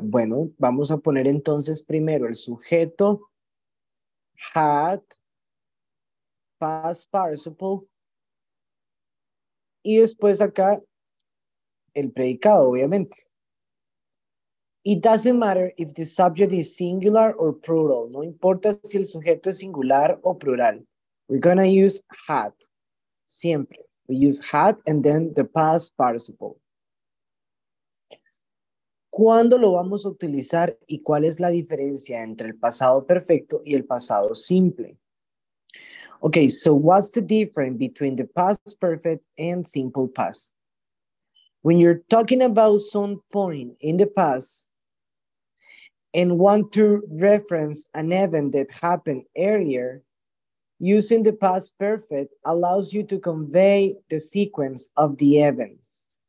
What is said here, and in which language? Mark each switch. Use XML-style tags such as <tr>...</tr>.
<es>Bueno, vamos a poner entonces primero el sujeto, had, past participle, y después acá el predicado, obviamente.</es> <en>It doesn't matter if the subject is singular or plural.</en> <es>No importa si el sujeto es singular o plural.</es> <en>We're gonna use had,</en> <es>siempre.</es> <en>We use had and then the past participle.</en> <es>¿Cuándo lo vamos a utilizar y cuál es la diferencia entre el pasado perfecto y el pasado simple?</es> <en>Okay, so what's the difference between the past perfect and simple past? When you're talking about some point in the past and want to reference an event that happened earlier, using the past perfect allows you to convey the sequence of the events.</en>